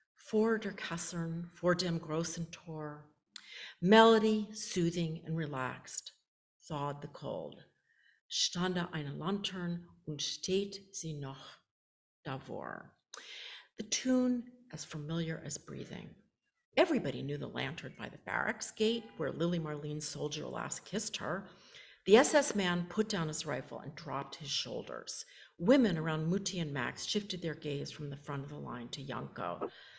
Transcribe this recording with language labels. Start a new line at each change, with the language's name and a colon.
German: Vor der Kasern, vor dem großen Tor.
English: Melody, soothing and relaxed, thawed the cold.
German: Stande eine Lantern und steht sie noch davor.
English: The tune as familiar as breathing. Everybody knew the lantern by the barracks gate where Lily Marlene's soldier last kissed her. The SS man put down his rifle and dropped his shoulders. Women around Muti and Max shifted their gaze from the front of the line to Yanko.